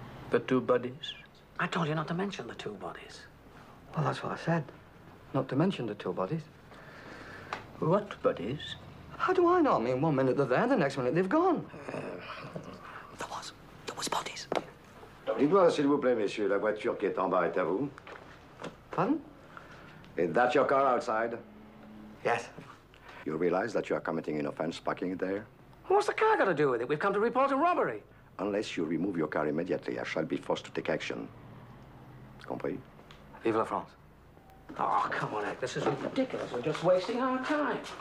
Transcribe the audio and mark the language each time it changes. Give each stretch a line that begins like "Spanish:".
English: The two bodies? I told you not to mention the two bodies. Well, that's what I said. Not to mention the two bodies. What bodies? How do I know? I mean, one minute they're there, the next minute they've gone. There was bodies.
French: Dites-moi, s'il vous plaît, monsieur, la voiture qui est en bas est à vous.
English: Pardon? Is that your car outside? Yes. You realize that you are committing an offense parking it there? What's the car got to do with it? We've come to report a robbery. Unless you remove your car immediately, I shall be forced to take action.
French: Compris? Vive la France.
English: Oh, come on, Eric. This is ridiculous. We're just wasting our time.